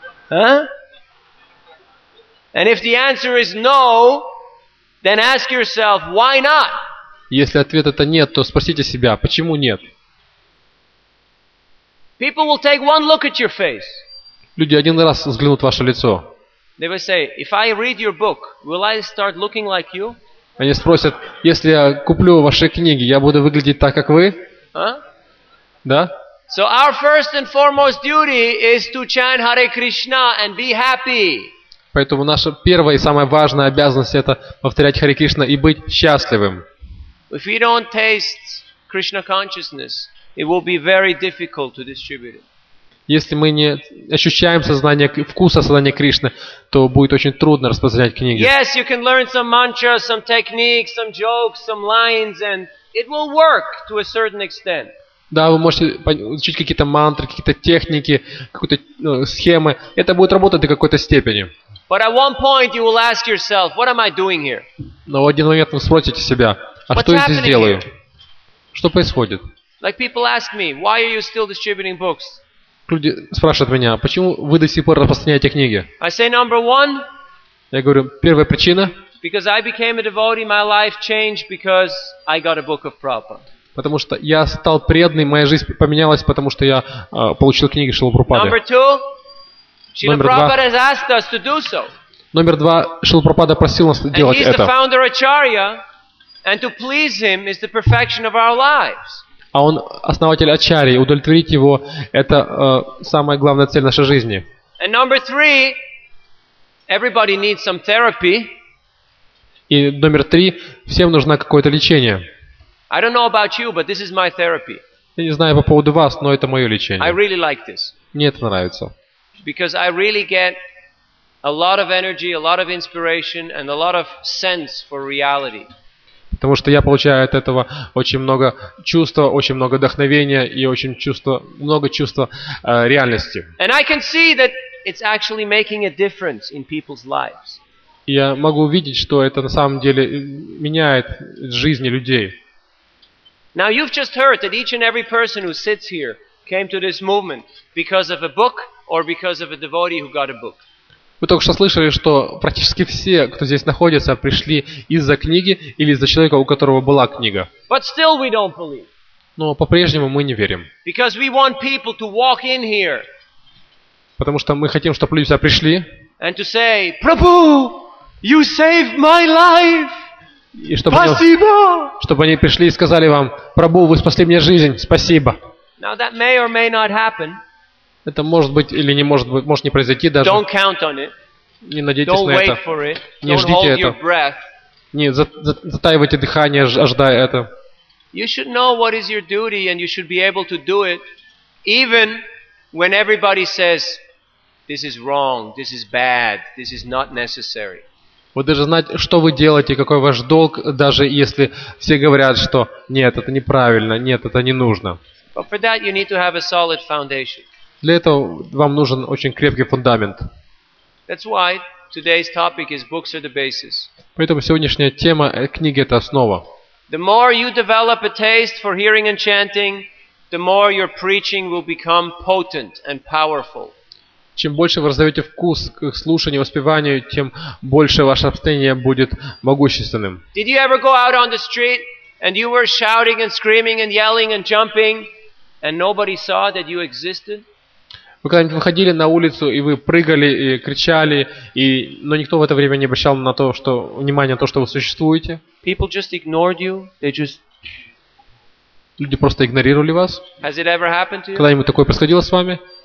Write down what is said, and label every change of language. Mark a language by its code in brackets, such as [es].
[en] And if the answer is no, then ask yourself, why not? [ru] Если ответ это нет, то спросите себя, почему нет? [en] People will take one look at your face. [ru] Люди один раз взглянут в ваше лицо. [en] They will say, if I read your book, will I start looking like you? [ru] Они спросят, если я куплю ваши книги, я буду выглядеть так, как вы? Да? [en] So our first and foremost duty is to chant Hare Krishna and be happy. [ru] Поэтому наша первая и самая важная обязанность это повторять Харе Кришна и быть счастливым. [en] If we don't taste Krishna consciousness, it will be very difficult to distribute it. [ru] Если мы не ощущаем сознание, вкуса сознания Кришны, то будет очень трудно распространять книги. [en] Yes, you can learn some mantra, some techniques, some jokes, some lines, and it will work to a certain extent. [ru] Да, вы можете учить какие-то мантры, какие-то техники, какие-то схемы. Это будет работать до какой-то степени. [en] But at one point you will ask yourself, what am I doing here? [ru] Но в один момент вы спросите себя, а что я здесь делаю? Что происходит? [en] Like people ask me, why are you still distributing books? [ru] Люди спрашивают меня, почему вы до сих пор распространяете книги? [en] I say number one. [ru] Я говорю, первая причина. [en] Because I became a devotee, my life changed because I got a book of Prabhupada. [ru] Потому что я стал преданным, моя жизнь поменялась, потому что я получил книги Шрилы Прабхупады. [en] Number two. Шрила Прабхупада has asked us to do so. [ru] Номер два. Шрила Прабхупада просил нас делать это. [en] He is the founder Acharya, and to please him is the perfection of our lives. [ru] А он основатель Ачарьи, удовлетворить его – это самая главная цель нашей жизни. [en] And number three, everybody needs some therapy. [ru] И номер три – всем нужно какое-то лечение. [en] I don't know about you, but this is my therapy. [ru] Я не знаю по поводу вас, но это мое лечение. [en] I really like this. [ru] Мне это нравится. [en] Because I really get a lot of energy, a lot of inspiration, and a lot of sense for reality. [ru] Потому что я получаю от этого очень много чувства, очень много вдохновения и очень чувство, много чувства реальности. [en] And I can see that it's actually making a difference in people's lives. [ru] Я могу увидеть, что это на самом деле меняет жизни людей. [en] Now you've just heard that each and every person who sits here came to this movement because of a book or because of a devotee who got a book. [ru] Вы только что слышали, что практически все, кто здесь находится, пришли из-за книги или из-за человека, у которого была книга. [en] But still we don't believe. [ru] Но по-прежнему мы не верим. [en] Because we want people to walk in here. [ru] Потому что мы хотим, чтобы люди сюда пришли. [en] And to say, Prabhu, you saved my life. [ru] И чтобы спасибо! Чтобы они пришли и сказали вам, Прабху, вы спасли мне жизнь, спасибо. [en] Now that may or may not happen. [ru] Это может быть или не может быть, может не произойти даже. [en] Don't count on it. [ru] Не надейтесь [en] Don't [ru] на [en] wait [ru] это. [en] For it. [ru] Не [en] Don't [ru] ждите [en] hold [ru] это. [en] Your breath. [ru] Не затаивайте дыхание, ожидая это. [en] You should know what is your duty and you should be able to do it even when everybody says this is wrong, this is bad, this is not necessary. [ru] Вы должны знать, что вы делаете, какой ваш долг, даже если все говорят, что нет, это неправильно, нет, это не нужно. [en] But for that you need to have a solid foundation. [ru] Для этого вам нужен очень крепкий фундамент. [en] That's why today's topic is books are the basis. [ru] Поэтому сегодняшняя тема книги это основа. [en] The more you develop a taste for hearing and chanting, the more your preaching will become potent and powerful. [ru] Чем больше вы развиваете вкус к слушанию, воспеванию, тем больше ваше обстояние будет могущественным. [en] Did you ever go out on the street and you were shouting and screaming and yelling and jumping and nobody saw that you existed? [ru] Вы когда-нибудь выходили на улицу и вы прыгали и кричали, и но никто в это время не обращал на то, что внимание на то, что вы существуете? [en] People just ignored you. They just [ru] люди просто игнорировали вас. [en] Has it ever happened to you? [ru] Когда-нибудь такое происходило с вами?